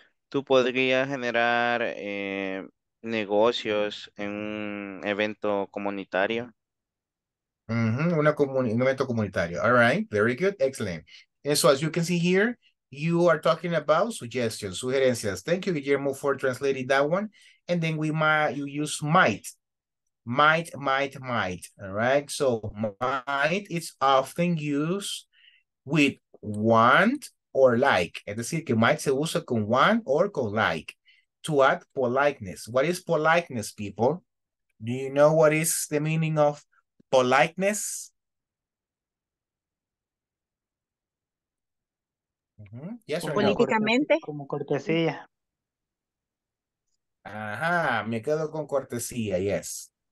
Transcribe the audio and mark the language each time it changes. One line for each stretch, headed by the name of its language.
Spanish: Tú podrías generar negocios en un evento comunitario.
English: Mm-hmm.
Spanish: Un evento comunitario.
English: All right, very good, excellent. And so as you can see here, you are talking about suggestions, sugerencias. Thank you, Guillermo, for translating that one. And then we might, you use might. All right. So might is often used with want or like.
Spanish: Es decir, que might se usa con want or con like.
English: To add politeness. What is politeness, people? Do you know what is the meaning of politeness? Mm-hmm. Yes, or
Spanish: políticamente. No? Como cortesía. Ajá, me quedo con cortesía,
English: yes.